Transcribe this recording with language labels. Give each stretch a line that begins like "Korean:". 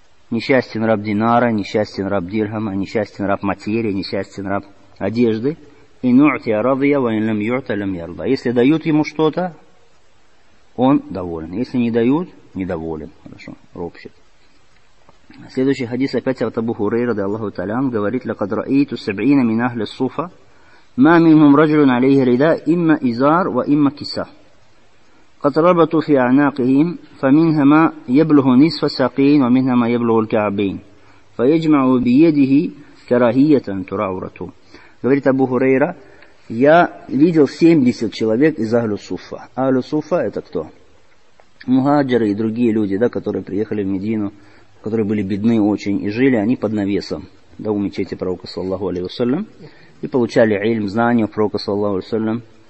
Russian: Несчастен раб динара, несчастен раб дирхама, несчастен раб материи, несчастен раб одежды.
Arabic: И нуати арадия, ва инлам юта лам ярда.
Russian: Если дают ему что-то, он доволен. Если не дают, недоволен. Хорошо, ропщит. Следующий хадис опять от Абу Хурейры, да Аллаху Тааля, говорит:
Arabic: «Лакад раиту сабиина мин ахли суфа». ما منهم رجل عليه رداء إما إزار وإما كساء قد ربطوا في أعناقهم فمنها ما يبلغ نصف ساقين ومنها ما يبلغ الكعبين فيجمع بيده كراهية تراورته.
Russian: Говорит Абу Хурейра: я видел 70 человек из Ахлю Суфа. Ахлю Суфа — это кто? Мухаджиры и другие люди, да, которые приехали в Медину, которые были бедны очень и жили они под навесом, да, у мечети пророка саллаллаху алейхи ва саллям, и получали ильм, знания у пророка саллаллаху алейхи ва саллям.